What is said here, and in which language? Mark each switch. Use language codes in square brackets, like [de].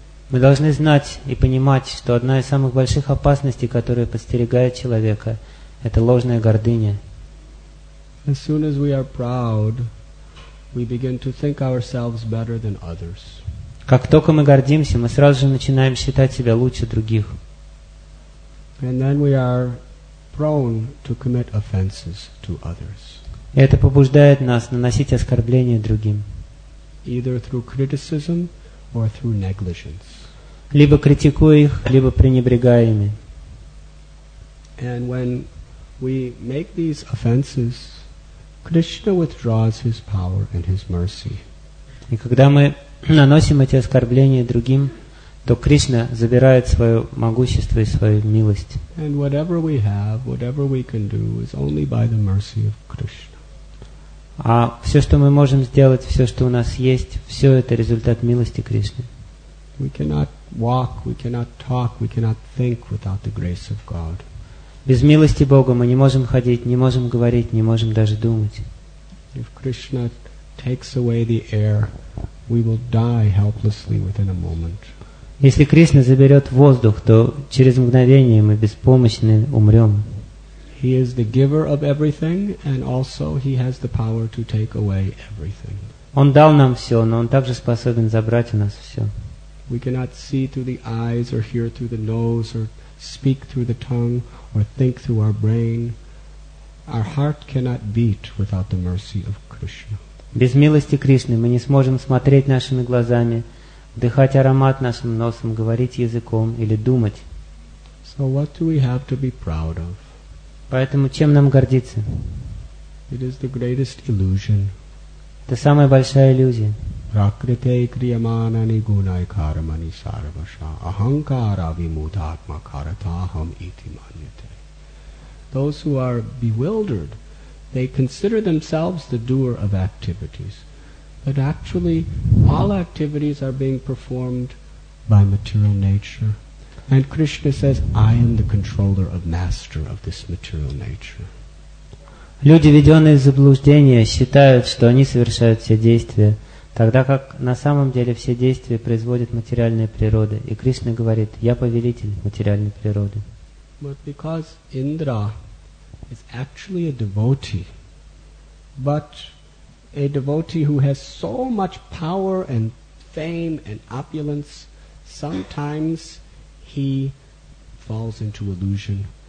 [ru] Мы должны знать и понимать, что одна из самых больших опасностей, которая подстерегает человека, это ложная гордыня. [en] As soon as we are proud, we begin to think ourselves better than others. [ru] Как только мы гордимся, мы сразу же начинаем считать себя лучше других. [en] And then we are prone to commit offenses to others. [ru] И это побуждает нас наносить оскорбления другим. [en] Either through criticism or through negligence. [ru] Либо критикуя их, либо пренебрегая ими. [en] And when we make these offenses, Krishna withdraws his power and his mercy. [ru] И когда мы наносим эти оскорбления другим, то Кришна забирает свое могущество и свою милость. [en] And whatever we have, whatever we can do, is only by the mercy of Krishna. [ru] А все, что мы можем сделать, все, что у нас есть, все это результат милости Кришны. [en] We cannot walk, we cannot talk, we cannot think without the grace of God. [ru] Без милости Бога мы не можем ходить, не можем говорить, не можем даже думать. [en] If Krishna takes away the air, we will die helplessly within a moment. [ru] Если Кришна заберет воздух, то через мгновение мы беспомощны умрем. [en] He is the giver of everything, and also he has the power to take away everything. [ru] Он дал нам все, но он также способен забрать у нас все. [en] We cannot see through the eyes, or hear through the nose, or speak through the tongue, or think through our brain. Our heart cannot beat without the mercy of Krishna. [ru] Без милости Кришны мы не сможем смотреть нашими глазами, вдыхать аромат нашим носом, говорить языком или думать. [en] So what do we have to be proud of? [ru] Поэтому чем нам гордиться? [en] It is the greatest illusion. [ru] Это самая большая иллюзия. [sa] Prakrite kriyamanani gunai karmani sarvasha ahankara vimudatma karataham iti manyate. [en] Those who are bewildered, they consider themselves the doer of activities. But actually, all activities are being performed by material nature. And Krishna says, I am the controller of master of this material nature. [ru] Люди, введенные в заблуждение, считают, что они совершают все действия, тогда как на самом деле все действия производит материальная природа. И Кришна говорит, я повелитель материальной природы. [en] But because Indra is actually a devotee, but a devotee who has so much power and fame and opulence, sometimes he falls into illusion.